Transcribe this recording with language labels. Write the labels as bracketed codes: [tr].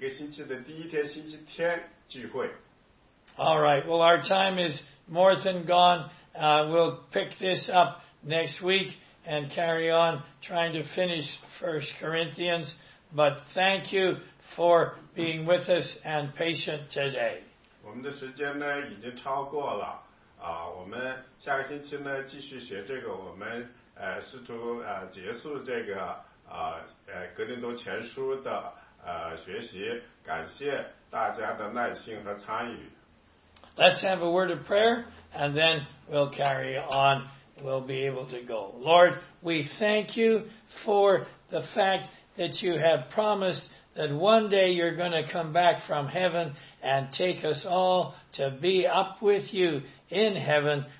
[zh] 这就是呢,在这里发现的,所以我们教会就在每一个星期的第一天,星期天聚会。 [en] All right, well, our time is more than gone. We'll pick this up next week and carry on trying to finish 1 Corinthians. But thank you for being with us and patient today. [zh] 我们的时间呢已经超过了。我们下个星期呢继续学这个。我们试图结束这个《格林多前书》的学习。感谢大家的耐心和参与。 [en] Let's have a word of prayer, and then we'll carry on. We'll be able to go. Lord, we thank you for the fact that you have promised that one day you're going to come back from heaven and take us all to be up with you in heaven.